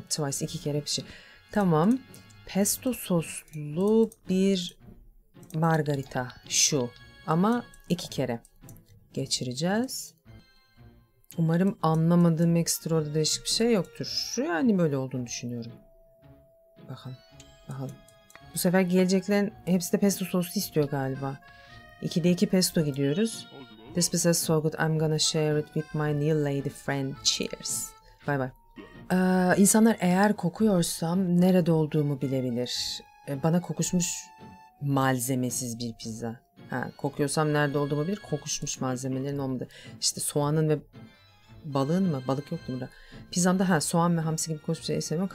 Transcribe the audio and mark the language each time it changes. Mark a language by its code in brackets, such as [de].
[en] Twice, [tr] iki kere pişir. Tamam, pesto soslu bir margarita şu ama iki kere geçireceğiz. Umarım anlamadığım ekstra orada değişik bir şey yoktur. Şu yani böyle olduğunu düşünüyorum. Bakalım. Bu sefer geleceklerin hepsi de pesto sosu istiyor galiba. 2'de 2 pesto gidiyoruz. [en] This pizza is so good. I'm gonna share it with my new lady friend. Cheers. Bye bye. [tr] İnsanlar eğer kokuyorsam nerede olduğumu bilebilir. Bana kokuşmuş malzemesiz bir pizza. Ha, kokuyorsam nerede olduğumu bilir. Kokuşmuş malzemelerin olmadı. İşte soğanın ve balığın mı? Balık yok mu burada? Pizzamda ha, soğan ve hamsi gibi kokuşmuş şey sevmiyorum.